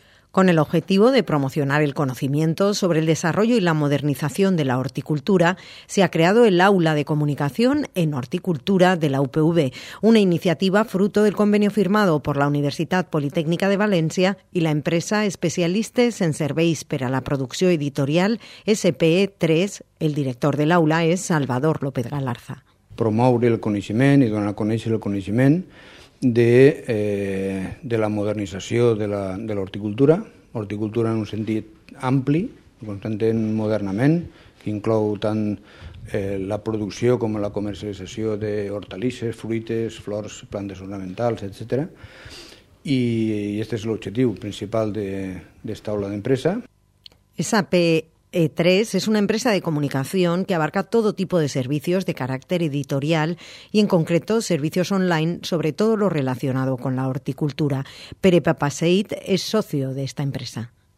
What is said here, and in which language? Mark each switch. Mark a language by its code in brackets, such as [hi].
[es] Con el objetivo de promocionar el conocimiento sobre el desarrollo y la modernización de la horticultura, se ha creado el Aula de Comunicación en Horticultura de la UPV, una iniciativa fruto del convenio firmado por la Universidad Politécnica de Valencia y la empresa Especialistes en Serveis per a la Producció Editorial SPE3. El director del aula es Salvador López Galarza. [ca] Promoure el coneixement i donar a conèixer el coneixement de la modernització de l'horticultura, horticultura en un sentit ampli, constantment modernament, que inclou tant la producció com la comercialització d'hortalisses, fruites, flors, plantes ornamentals, etc. I aquest és l'objectiu principal d'esta aula d'empresa. [es] SPE E3 es una empresa de comunicación que abarca todo tipo de servicios de carácter editorial y, en concreto, servicios online, sobre todo lo relacionado con la horticultura. Pere Papaseit es socio de esta empresa.